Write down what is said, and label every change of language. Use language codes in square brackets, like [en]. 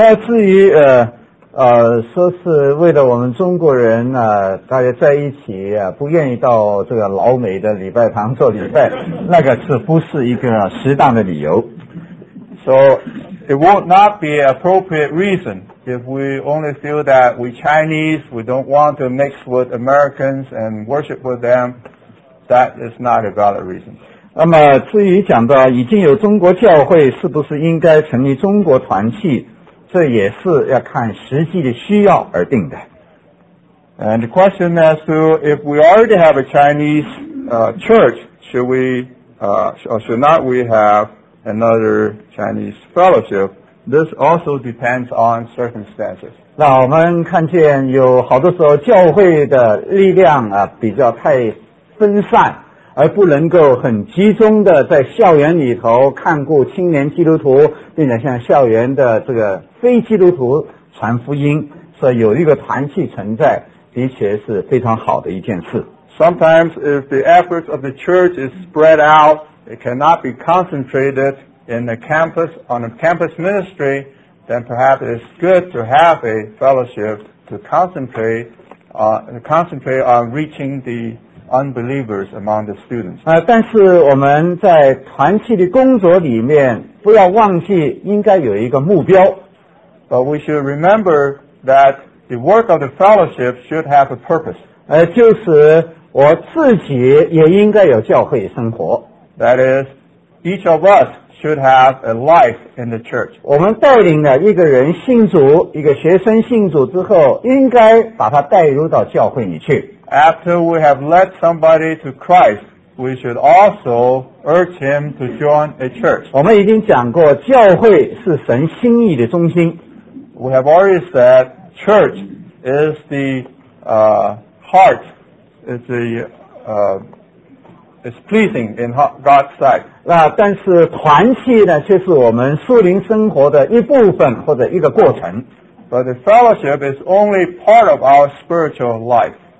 [zh] 那至于说是为了我们中国人大家在一起不愿意到这个老美的礼拜堂做礼拜，那个是不是一个适当的理由？ [en] So it won't not be an appropriate reason. If we only feel that we Chinese, we don't want to mix with Americans and worship with them, that is not a valid reason. [zh] 那么至于讲到已经有中国教会是不是应该成立中国团契，这也是要看实际的需要而定的。 [en] And the question as to if we already have a Chinese church, should not we have another Chinese fellowship? This also depends on circumstances. [zh] 那我们看见有好多时候教会的力量比较太分散，而不能够很集中的在校园里头看顾青年基督徒，并且向校园的这个非基督徒传福音，所以有一个团契存在，的确是非常好的一件事。 [en] Sometimes if the efforts of the church is spread out, it cannot be concentrated. In the campus, on a campus ministry, then perhaps it's good to have a fellowship to concentrate on reaching the unbelievers among the students. [zh] 但是我们在团契的工作里面，不要忘记应该有一个目标。 [en] But we should remember that the work of the fellowship should have a purpose. [zh] 就是我自己也应该有教会生活。 [en] That is, Each of us should have a life in the church. [zh] 我们带领了一个人信主，一个学生信主之后，应该把他带入到教会里去。 [en] After we have led somebody to Christ, we should also urge him to join a church. [zh] 我们已经讲过，教会是神心意的中心。 [en] We have already said church is the heart, is pleasing in God's sight. [zh] 那但是团契呢，却是我们属灵生活的一部分或者一个过程。 [en] But the fellowship is only part of our spiritual life.